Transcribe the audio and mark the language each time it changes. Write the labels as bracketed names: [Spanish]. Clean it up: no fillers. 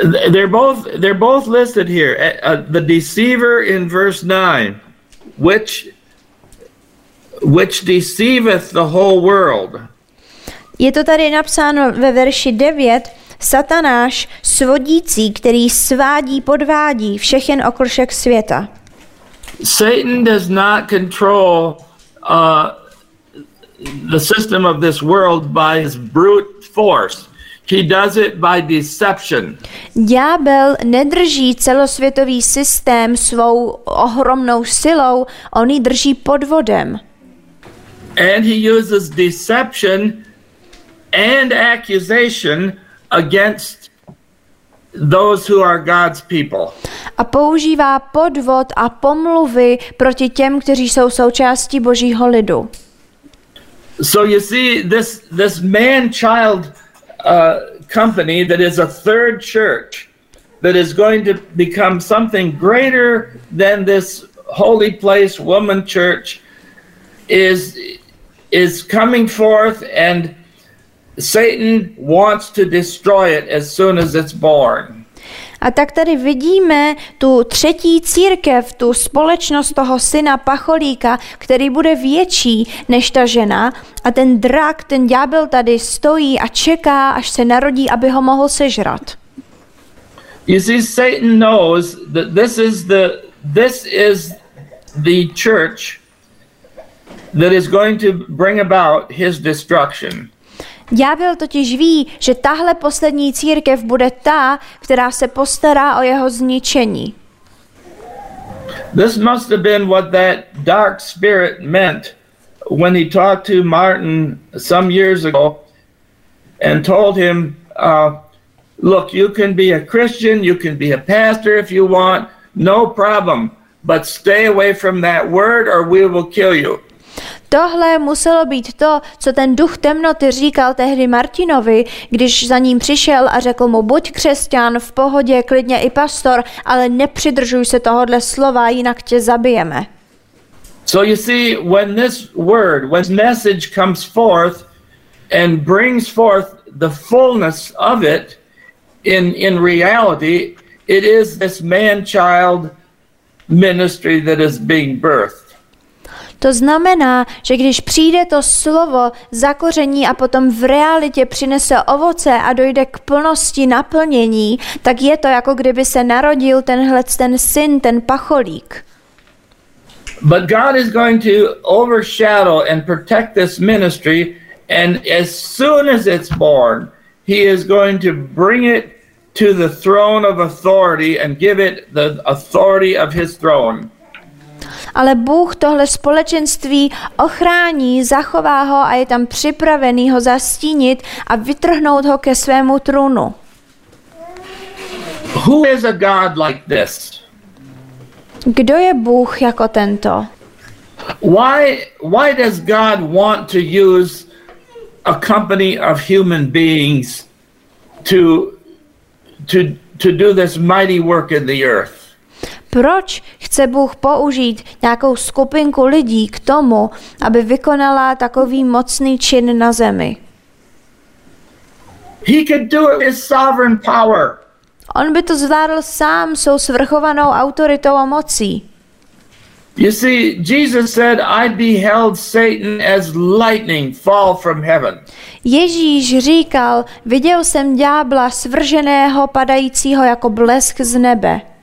[English] They're both listed here. The deceiver in verse 9, which deceiveth the whole world. [Czech] Je to tady napsáno ve verši 9. Satanáš, svodící, který svádí, podvádí všechen okršek světa. [English] Satan does not control the system of this world by his brute force. He does it by deception. [Czech] Ďábel nedrží celosvětový systém svou ohromnou silou, on ji drží podvodem. [English] And he uses deception and accusation against those who are God's people. [Czech] A používá podvod a pomluvy proti těm, kteří jsou součástí Božího lidu. [English] So you see, this man-child company that is a third church that is going to become something greater than this holy place woman church is coming forth, and Satan wants to destroy it as soon as it's born. [Czech] A tak tady vidíme tu třetí církev, tu společnost toho syna pacholíka, který bude větší než ta žena, a ten drak, ten ďábel tady stojí a čeká, až se narodí, aby ho mohl sežrat. [English] You see, Satan knows that this is the church that is going to bring about his destruction. [Czech] Ďábel totiž ví, že tahle poslední církev bude ta, která se postará o jeho zničení. [English] This must have been what that dark spirit meant when he talked to Martin some years ago and told him, look, you can be a Christian, you can be a pastor if you want, no problem, but stay away from that word or we will kill you. [Czech] Tohle muselo být to, co ten duch temnoty říkal tehdy Martinovi, když za ním přišel a řekl mu, buď křesťan, v pohodě, klidně i pastor, ale nepřidržuj se tohodle slova, jinak tě zabijeme. [English] So you see, when this word, when this message comes forth and brings forth the fullness of it in reality, it is this man-child ministry that is being birthed. [Czech] To znamená, že když přijde to slovo zakoření a potom v realitě přinese ovoce a dojde k plnosti naplnění, tak je to jako kdyby se narodil tenhle ten syn, ten pacholík. [English] But God is going to overshadow and protect this ministry, and as soon as it's born, he is going to bring it to the throne of authority and give it the authority of his throne. [Czech] Ale Bůh tohle společenství ochrání, zachová ho a je tam připravený ho zastínit a vytrhnout ho ke svému trůnu. [English] Who is a God like this? [Czech] Kdo je Bůh jako tento? [English] Why does God want to use a company of human beings to do this mighty work in the earth? [Czech] Proč chce Bůh použít nějakou skupinku lidí k tomu, aby vykonala takový mocný čin na zemi? [English] He can do it with sovereign power. [Czech] On by to zvládl sám svou svrchovanou autoritou a mocí. [English] You see, Jesus said, I beheld Satan as lightning fall from heaven. [Czech] Ježíš říkal, viděl jsem ďábla svrženého padajícího jako blesk z nebe.